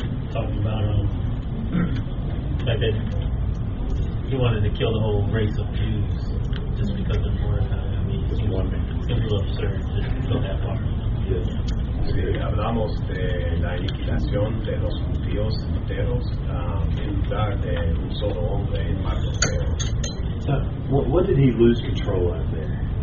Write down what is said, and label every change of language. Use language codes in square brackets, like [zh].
[en] Talking about the fact that he wanted to kill the whole race of Jews just because of Mordecai. I mean, it's a little absurd to go that far. Yes. [es] Sí, hablamos de la liquidación de los judíos enteros en lugar de un solo hombre en Mordecai. [en] So, what did he lose control of there?